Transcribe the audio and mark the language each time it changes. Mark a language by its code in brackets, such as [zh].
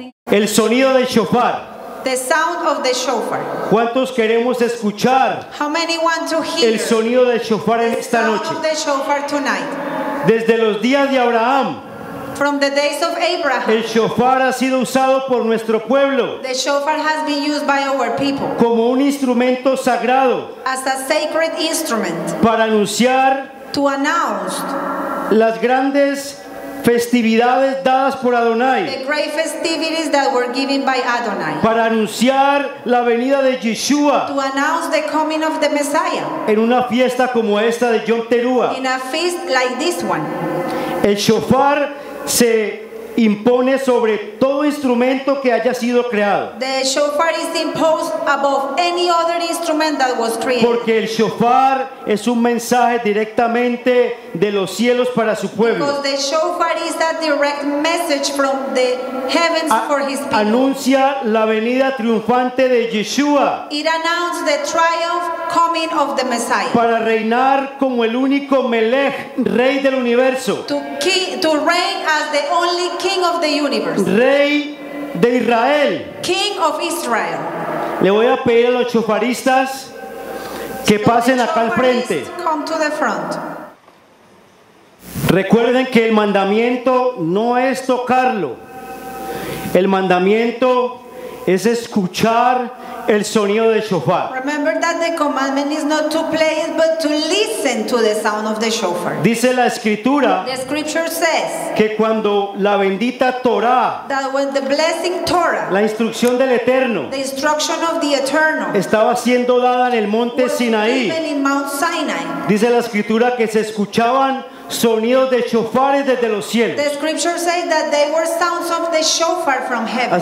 [es] El sonido del shofar. [en] The sound of the shofar. [es] ¿Cuántos queremos escuchar? [en] How many want to hear? [es] El sonido del shofar en esta noche. [en] The shofar tonight. [es] Desde los días de Abraham. [en] From the days of Abraham. [es] El shofar ha sido usado por nuestro pueblo. [en] The shofar has been used by our people. [es] Como un instrumento sagrado. [en] As a sacred instrument. [es] Para anunciar. [en] To announce. [es] Las grandes festividades dadas por Adonai. [en] The great festivities that were given by Adonai. [es] Para anunciar la venida de Yeshua. [en] To announce the coming of the Messiah. [es] En una fiesta como esta de Yom Teruah. [en] In a feast like this one. [es] El shofar se impone sobre todo instrumento que haya sido creado. [en] The shofar is imposed above any other instrument that was created. [es] Porque el shofar es un mensaje directamente de los cielos para su pueblo. [en] Because the shofar is a direct message from the heavens for his people. [es] Anuncia la venida triunfante de Yeshua. [en] It announced the triumph coming of the Messiah. [es] Para reinar como el único Melech, rey del universo. [en] To reign as the only King of the universe. [es] Rey de Israel. [en] King of Israel. [es] Le voy a pedir a los shofaristas que pasen acá al frente. [en] Come to the front. [es] Recuerden que el mandamiento no es tocarlo. El mandamiento es escuchar el sonido del shofar. [en] Remember that the commandment is not to play it, but to listen to the sound of the shofar. [es] Dice la escritura. [en] The scripture says. [es] Que cuando la bendita Torah. [en] That when the blessing Torah. [es] La instrucción del Eterno. [en] The instruction of the Eternal. [es] Estaba siendo dada en el monte Sinaí. [en] Given in Mount Sinai. [es] Dice la escritura que se escuchaban sonidos de shofares desde los cielos. [en] The scripture says that they were sounds of the shofar from heaven.